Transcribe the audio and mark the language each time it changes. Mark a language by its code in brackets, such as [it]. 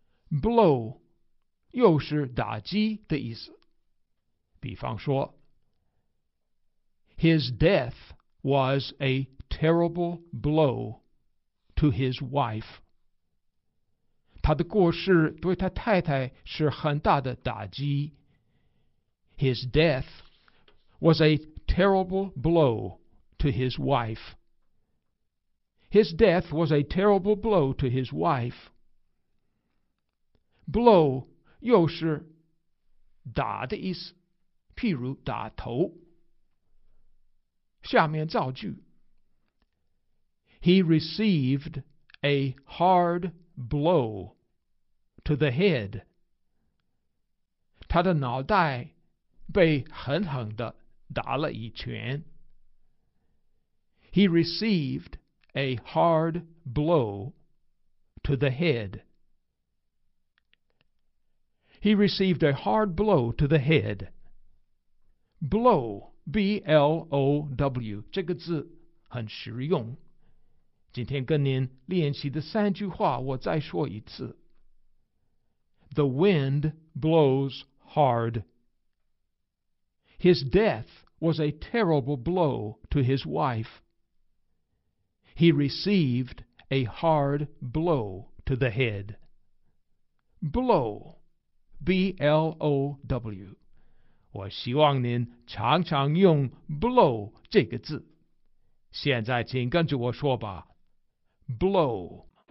[en] blow [zh] 又是打击的意思，比方说 [en] His deathwas a terrible blow to his wife. [zh] 他的过世对他太太是很大的打击。 [en] His death was a terrible blow to his wife. His death was a terrible blow to his wife. [zh] Blow 又是打的意思，譬如打头。下面造句。 [en] He received a hard blow to the head. [zh] 他的脑袋被狠狠地打了一拳。 [en] He received a hard blow to the head. He received a hard blow to the head. Blow. [zh] B-L-O-W 这个字很实用。今天跟您练习的三句话我再说一次。 [en] The wind blows hard. His death was a terrible blow to his wife. He received a hard blow to the head. Blow, B-L-O-W. [zh] 我希望您常常用 blow 这个字。现在请跟着我说吧， blow。